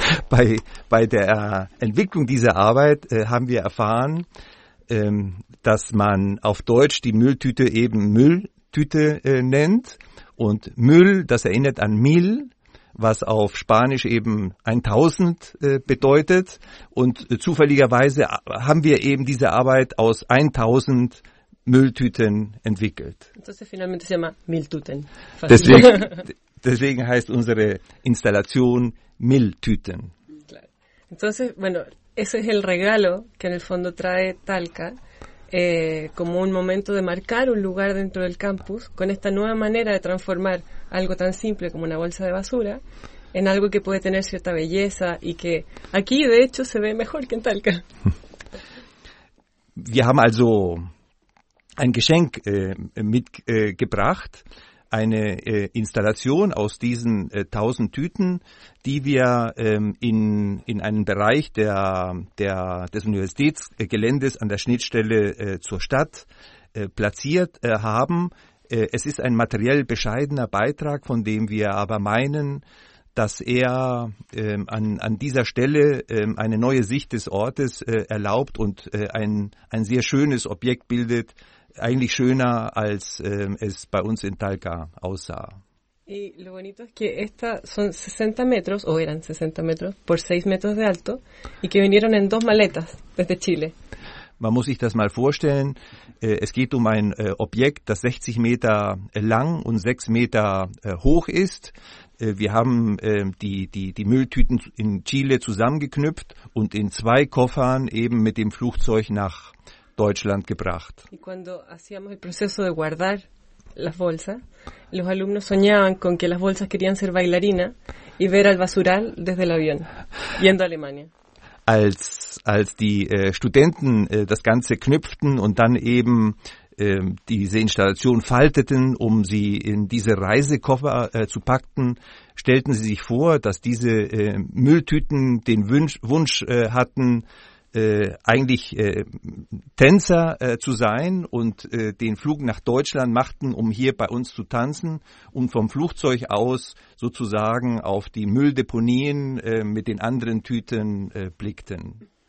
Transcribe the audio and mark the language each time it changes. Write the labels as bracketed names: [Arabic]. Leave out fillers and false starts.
[German] bei der Entwicklung dieser Arbeit haben wir erfahren, dass man auf Deutsch die Mülltüte eben Mülltüte nennt und Müll, das erinnert an Mil, was auf Spanisch eben 1000 bedeutet. Und zufälligerweise haben wir eben diese Arbeit aus 1000 Mülltüten entwickelt. [Spanish] Entonces, finalmente se llama Mülltüten. [German] Deswegen heißt unsere Installation Mülltüten. [Spanish] Entonces, bueno, ese es el regalo que en el fondo trae Talca, como un momento de marcar un lugar dentro del campus con esta nueva manera de transformar algo tan simple como una bolsa de basura en algo que puede tener cierta belleza y que aquí de hecho se ve mejor que en Talca. [German] Wir haben also ein Geschenk mitgebracht, eine Installation aus diesen 1000 Tüten, die wir in einem Bereich des Universitätsgeländes an der Schnittstelle zur Stadt platziert haben. Es ist ein materiell bescheidener Beitrag, von dem wir aber meinen, dass er an dieser Stelle eine neue Sicht des Ortes erlaubt und ein sehr schönes Objekt bildet, eigentlich schöner als es bei uns in Talca aussah. [Spanish] Y lo bonito es que estas son 60 metros, o eran 60 metros, por 6 metros de alto, y que vinieron en dos maletas desde Chile. [German] Man muss sich das mal vorstellen, es geht um ein Objekt, das 60 Meter lang und 6 Meter hoch ist. Wir haben die Mülltüten in Chile zusammengeknüpft und in zwei Koffern eben mit dem Flugzeug nach Deutschland gebracht. [Spanish] Y cuando hacíamos el proceso de guardar las bolsas, los alumnos soñaban con que las bolsas querían ser bailarina y ver al basural desde el avión, yendo a Alemania. [German] Als die Studenten das Ganze knüpften und dann eben diese Installation falteten, um sie in diese Reisekoffer zu packen, stellten sie sich vor, dass diese Mülltüten den Wunsch hatten, eigentlich Tänzer zu sein und den Flug nach Deutschland machten, um hier bei uns zu tanzen und vom Flugzeug aus sozusagen auf die Mülldeponien mit den anderen Tüten blickten.